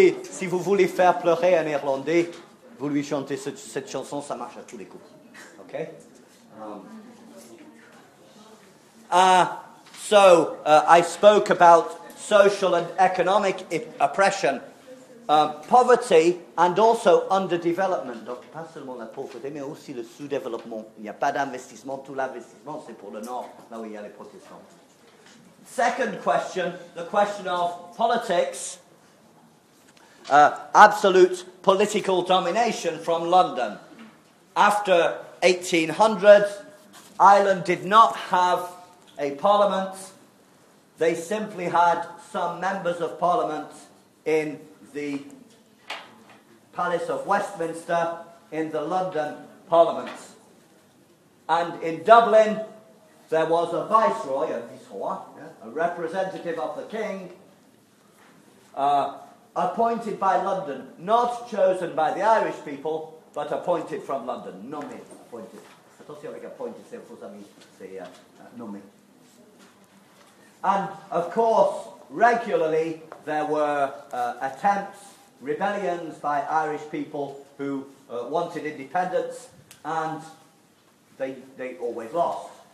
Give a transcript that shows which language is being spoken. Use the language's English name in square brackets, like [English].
[French] Si vous voulez faire pleurer un Irlandais, vous lui chantez cette chanson, ça marche à tous les coups. OK? [English] I spoke about social and economic oppression, poverty and also underdevelopment. [French] Donc, pas seulement la pauvreté, mais aussi le sous-développement. Il n'y a pas d'investissement, tout l'investissement, c'est pour le Nord, là où il y a les protestants. [English] Second question, the question of politics. Absolute political domination from London. After 1800, Ireland did not have a parliament. They simply had some members of parliament in the Palace of Westminster, in the London Parliament. And in Dublin, there was a viceroy, a viceroy, a representative of the king, appointed by London, not chosen by the Irish people, but appointed from London. [French] Nommé, [English] appointed. [French] Attention avec appointé, c'est vos amis, c'est nommé. [English] And, of course, regularly, there were attempts, rebellions by Irish people who wanted independence, and they always lost.